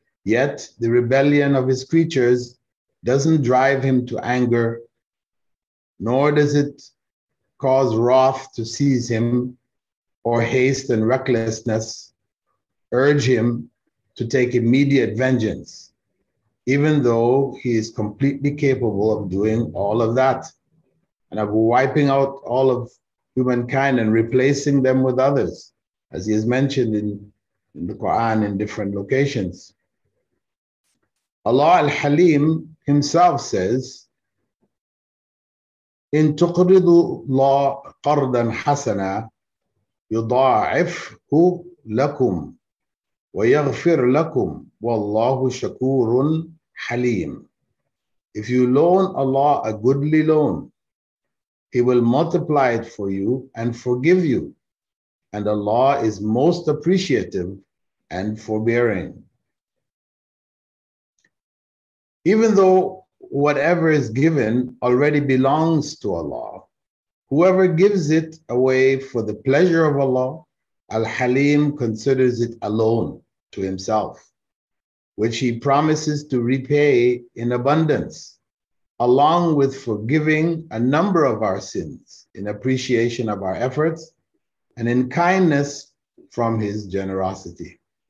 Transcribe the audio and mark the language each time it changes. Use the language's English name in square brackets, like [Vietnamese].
[English] Yet the rebellion of His creatures doesn't drive Him to anger, nor does it cause wrath to seize Him, or haste and recklessness urge Him to take immediate vengeance, even though He is completely capable of doing all of that, and of wiping out all of humankind and replacing them with others, as He has mentioned in the Quran in different locations. Allah Al-Halim Himself says, [Arabic] إِن تُقْرِضُ اللَّهَ قَرْضًا حَسَنًا يضاعفه لكم ويغفر لكم والله شكور حليم. [English] If you loan Allah a goodly loan, He will multiply it for you and forgive you. And Allah is most appreciative and forbearing. Even though whatever is given already belongs to Allah, whoever gives it away for the pleasure of Allah, Al-Halim considers it a loan to himself, which he promises to repay in abundance, along with forgiving a number of our sins in appreciation of our efforts and in kindness from his generosity.